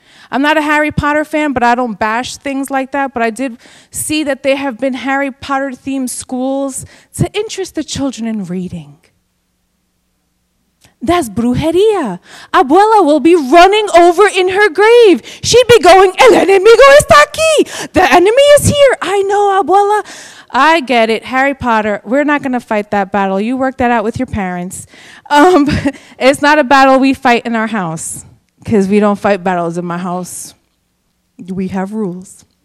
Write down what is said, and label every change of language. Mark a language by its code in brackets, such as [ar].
[en] I'm not a Harry Potter fan, but I don't bash things like that. But I did see that there have been Harry Potter-themed schools to interest the children in reading. That's brujería. Abuela will be running over in her grave. She'd be going, [es] el enemigo está aquí. [en] The enemy is here. I know, abuela. I get it. Harry Potter, we're not going to fight that battle. You work that out with your parents. It's not a battle we fight in our house, because we don't fight battles in my house. We have rules.